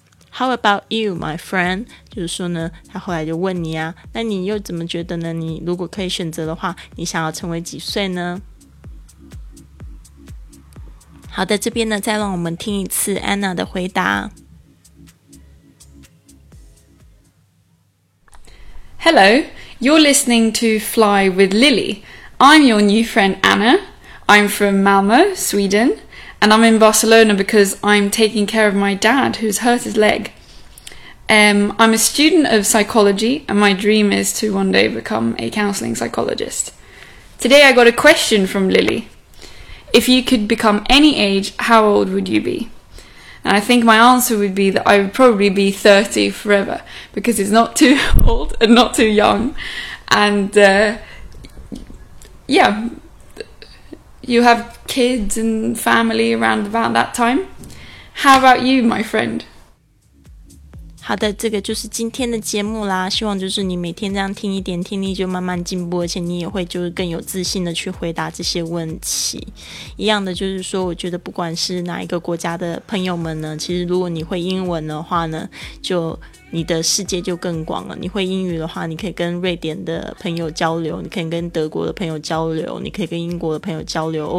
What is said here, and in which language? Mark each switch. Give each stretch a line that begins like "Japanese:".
English: How about you, my friend?
Chinese: 就是说呢，他后来就问你啊，那你又怎么觉得呢？你如果可以选择的话，你想要成为几岁呢？好的，这边呢，再让我们听一次 Anna 的回答。
English: Hello, you're listening to Fly with Lily. I'm your new friend Anna. I'm from Malmö, Sweden, and I'm in Barcelona because I'm taking care of my dad who's hurt his leg. I'm a student of psychology and my dream is to one day become a counselling psychologist. Today I got a question from Lily. If you could become any age, how old would you be? And I think my answer would be that I would probably be 30 forever because it's not too old and not too young. And you have kids and family around about that time. How about you, my friend?
Chinese: 好的，这个就是今天的节目啦。希望就是你每天这样听一点，听力就慢慢进步，而且你也会就是更有自信的去回答这些问题。一样的，就是说，我觉得不管是哪一个国家的朋友们呢，其实如果你会英文的话呢，就你的世界就更广了。你会英语的话，你可以跟瑞典的朋友交流，你可以跟德国的朋友交流，你可以跟英国的朋友交流。